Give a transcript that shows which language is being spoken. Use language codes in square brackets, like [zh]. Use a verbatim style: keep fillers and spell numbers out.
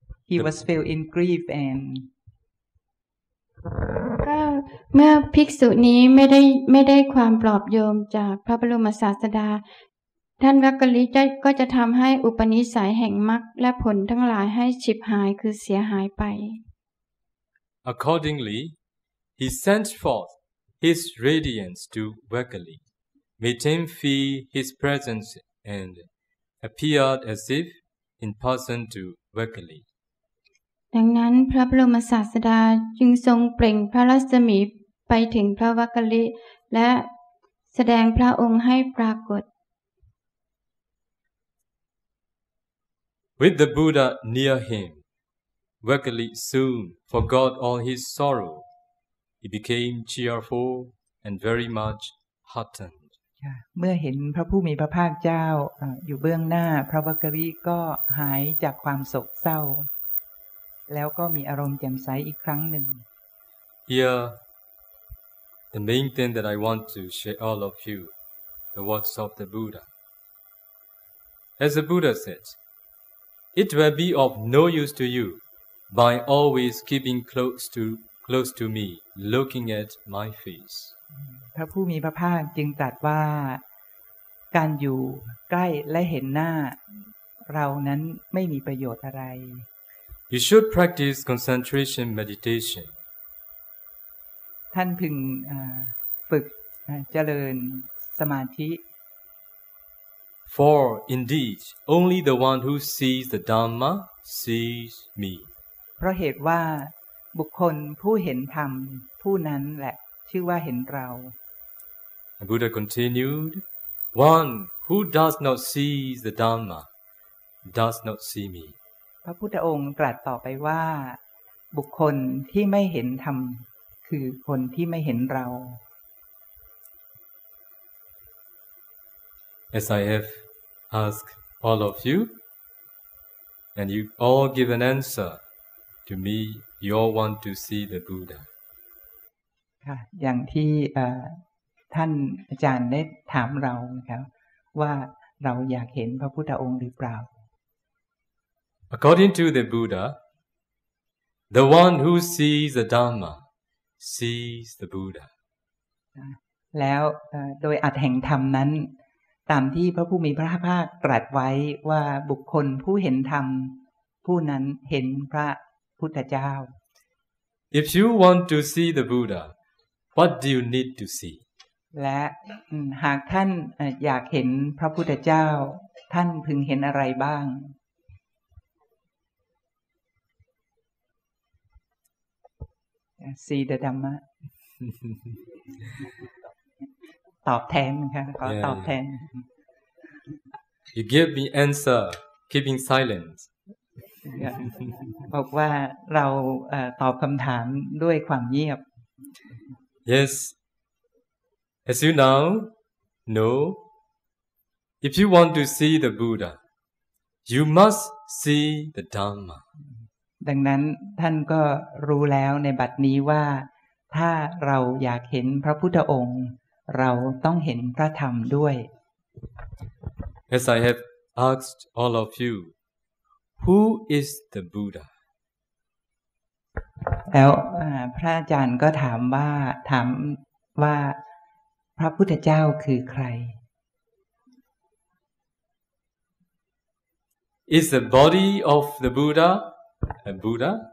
[en] He was fell in grief and [th] ก็เมื่อภิกษุนี้ไม่ได้ไม่ได้ความปลอบโยมจากพระบรมศาสดาท่านวักกลิก็จะทำให้อุปนิสัยแห่งมรรคและผลทั้งหลายให้ฉิบหายคือเสียหายไป [en] Accordingly, he sent forth his radiance to Vakali, made him feel his presence and appeared as if in person to Vakali. [th] ดังนั้นพระบรมศาสดาจึงทรงเปล่งพระรัศมีไปถึงพระวักกลิและแสดงพระองค์ให้ปรากฏ [en] With the Buddha near him, Vakali soon forgot all his sorrow. He became cheerful and very much heartened. [th] เมื่อเห็นพระผู้มีพระภาคเจ้าอยู่เบื้องหน้าพระวักกลิก็หายจากความโศกเศร้าแล้วก็มีอารมณ์แจ่มใสอีกครั้งหนึ่ง [en] Here, the main thing that I want to share all of you, the words of the Buddha. As the Buddha said, it will be of no use to you by always keeping close to close to me, looking at my face. [th] พระผู้มีพระภาคจึงตรัสว่าการอยู่ใกล้และเห็นหน้าเรานั้นไม่มีประโยชน์อะไร [en] You should practice concentration meditation. [th] ท่านพึงฝึกเจริญสมาธิ [en] For indeed, only the one who sees the Dhamma sees me. [th] เพราะเหตุว่าบุคคลผู้เห็นธรรมผู้นั้นแหละชื่อว่าเห็นเรา [en] The Buddha continued, One who does not see the Dhamma does not see me. [th] พระพุทธองค์ตรัสต่อไปว่าบุคคลที่ไม่เห็นธรรมคือคนที่ไม่เห็นเรา [en] As I have asked all of you, and you all give an answer to me, you all want to see the Buddha. [th] ค่ะอย่างที่ท่านอาจารย์ได้ถามเรานะครับว่าเราอยากเห็นพระพุทธองค์หรือเปล่า [en] According to the Buddha, the one who sees the Dhamma sees the Buddha. [th] แล้วโดยอัตถแห่งธรรมนั้นตามที่พระผู้มีพระภาคตรัสไว้ว่าบุคคลผู้เห็นธรรมผู้นั้นเห็นพระพุทธเจ้า [en] If you want to see the Buddha, what do you need to see? [th] และหากท่านอยากเห็นพระพุทธเจ้าท่านพึงเห็นอะไรบ้าง [en] See the Dhamma [th] ตอบแทนค่ะขอตอบแทน [en] You give me answer keeping silence [th] บอกว่าเราตอบคำถามด้วยความเงียบ [en] Yes As you now know if you want to see the Buddha you must see the Dhamma [th] ดังนั้นท่านก็รู้แล้วในบัดนี้ว่าถ้าเราอยากเห็นพระพุทธองค์เราต้องเห็นพระธรรมด้วย [en] As I have asked all of you, who is the Buddha? [th] แล้วพระอาจารย์ก็ถามว่าถามว่าพระพุทธเจ้าคือใคร [en] Is the body of the Buddha a Buddha?